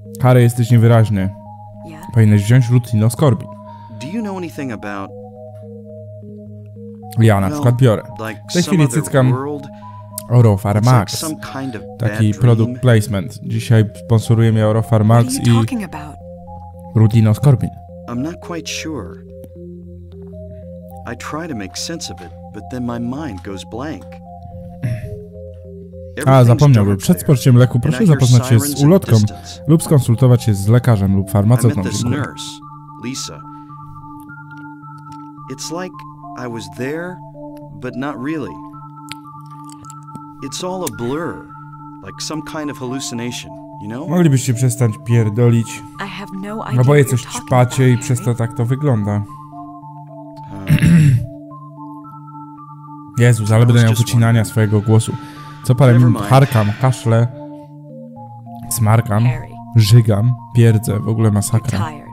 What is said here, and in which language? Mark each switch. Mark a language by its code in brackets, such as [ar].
[pl] Harry, jesteś niewyraźny. Powinieneś wziąć rutinoskorbin. [en] Do you know anything about... [pl] Ja na przykład biorę. W tej chwili cyckam Orofar Max. Taki product placement. Dzisiaj sponsoruje mnie Orofar Max i rutinoskorbin. [en] I'm not quite sure. I try to make sense of it, but then my mind goes blank. [pl] A, zapomniałbym. Przed spożyciem leku proszę zapoznać się z ulotką lub skonsultować się z lekarzem lub farmaceutą. Lisa. [en] It's like I was there, but not really. It's all a blur, like some kind of hallucination, you know? [pl] Moglibyście przestać pierdolić. [en] I have no idea. [pl] No boję coś trzpacie i przez to tak to wygląda. Jezus, ale będę miał wycinania swojego głosu. Co parę minut harkam, kaszle, smarkam, żygam, pierdzę, w ogóle masakra.